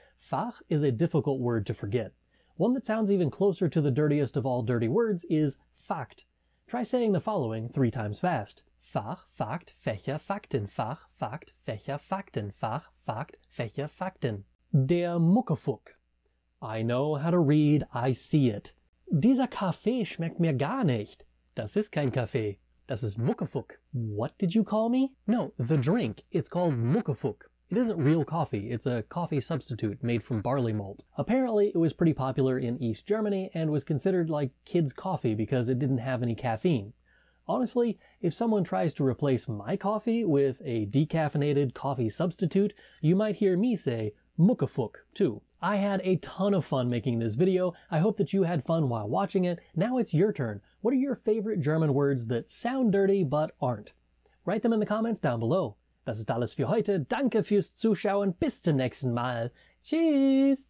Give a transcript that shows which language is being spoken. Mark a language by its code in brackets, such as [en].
[en] Fach is a difficult word to forget. One that sounds even closer to the dirtiest of all dirty words is Fakt. Try saying the following three times fast. [de] Fach, Fakt, Fächer, Fakten. Fach, Fakt, Fächer, Fakten. Fach, Fakt, Fächer, Fakten. Der Muckefuck. [en] I know how to read, I see it. [de] Dieser Kaffee schmeckt mir gar nicht. Das ist kein Kaffee. Das ist Muckefuck. [en] What did you call me? No, the drink. It's called Muckefuck. It isn't real coffee. It's a coffee substitute made from barley malt. Apparently, it was pretty popular in East Germany and was considered like kids' coffee because it didn't have any caffeine. Honestly, if someone tries to replace my coffee with a decaffeinated coffee substitute, you might hear me say Muckefuck, too. I had a ton of fun making this video. I hope that you had fun while watching it. Now it's your turn. What are your favorite German words that sound dirty but aren't? Write them in the comments down below. [de] Das ist alles für heute. Danke fürs Zuschauen. Bis zum nächsten Mal. Tschüss!